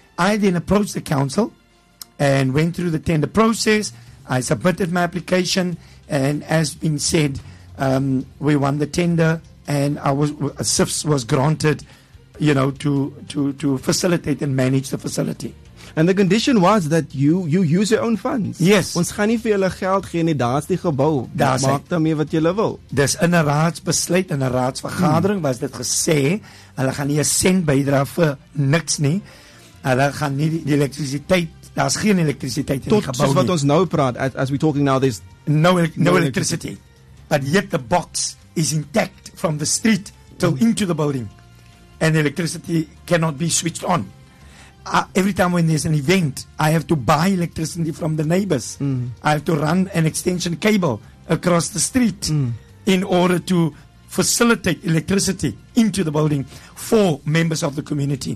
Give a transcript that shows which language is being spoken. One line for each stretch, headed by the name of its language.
English: I then approached the council and went through the tender process. I submitted my application, and as been said, we won the tender, and SIFS was granted, you know, to facilitate and manage the facility. And the condition was that you use your own funds. Yes.
Afrikaans: Ons gaan nie vir julle geld gee nie, daar's die gebou. Maak daarmee wat julle wil. Dis in 'n raadsbesluit, in 'n raadsvergadering was dit gesê, hulle gaan nie 'n sent bydra vir niks nie. Hulle gaan nie die elektrisiteit, daar's geen elektrisiteit in tot die gebou nie. Tot wat ons nou praat,
English: as we talking now, there's no electricity. But yet the box is intact from the street till into the building. And electricity cannot be switched on. Every time when there's an event, I have to buy electricity from the neighbors. Mm. I have to run an extension cable across the street in order to facilitate electricity into the building for members of the community.